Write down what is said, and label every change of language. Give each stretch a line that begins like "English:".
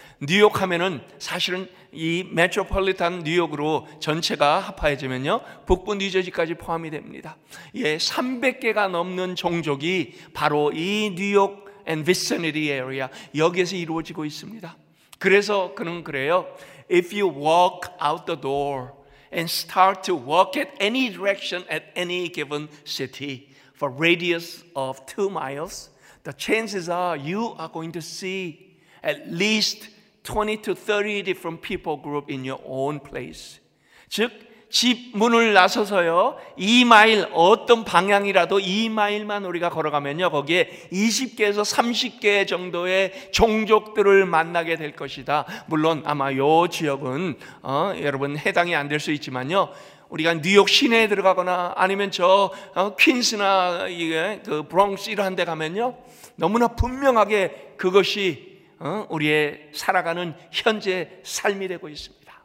Korean: 뉴욕 하면은 사실은 이 메트로폴리탄 뉴욕으로 전체가 합하여지면요 북부 뉴저지까지 포함이 됩니다. 예, 300개가 넘는 종족이 바로 이 뉴욕 앤 비시니티 에리아 여기에서 이루어지고 있습니다. 그래서 그는 그래요.
English: If you walk out the door and start to walk at any direction at any given city for radius of 2 miles, the chances are you are going to see at least 20 to 30 different people group in your own place.
Korean: 즉, 집 문을 나서서요, 2마일, 어떤 방향이라도 2마일만 우리가 걸어가면요, 거기에 20개에서 30개 정도의 종족들을 만나게 될 것이다. 물론 아마 요 지역은, 여러분 해당이 안 될 수 있지만요, 우리가 뉴욕 시내에 들어가거나 아니면 저, 퀸스나, 이게, 그 브롱스 이런 데 가면요, 너무나 분명하게 그것이 우리의 살아가는 현재 삶이 되고 있습니다.